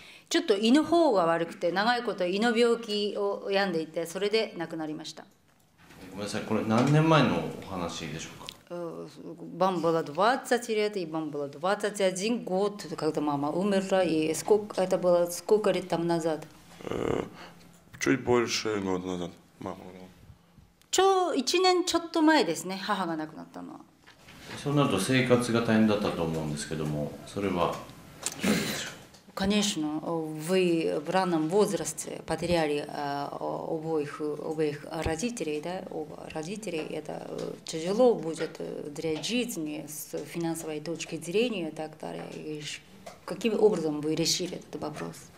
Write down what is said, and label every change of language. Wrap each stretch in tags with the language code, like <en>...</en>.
<ja>ちょっと胃の方が悪くて、長いこと胃の病気を病んでいて、それで亡くなりました。ごめんなさい、これ何年前のお話でしょうか。</ja> <ru>Вам было 20 лет, и вам было 21 год, когда мама умерла, и сколько это было, сколько лет там назад? Чуть больше года назад, мама.</ru> <ja>Чо, 1年ちょっと前ですね、母が亡くなったのは。そうなると生活が大変だったと思うんですけども、それは何でしょう。</ja> <ru>Конечно, вы в раннем возрасте потеряли обоих родителей, да, оба родителей, это тяжело будет для жизни с финансовой точки зрения и так далее. И каким образом вы решили этот вопрос?</ru>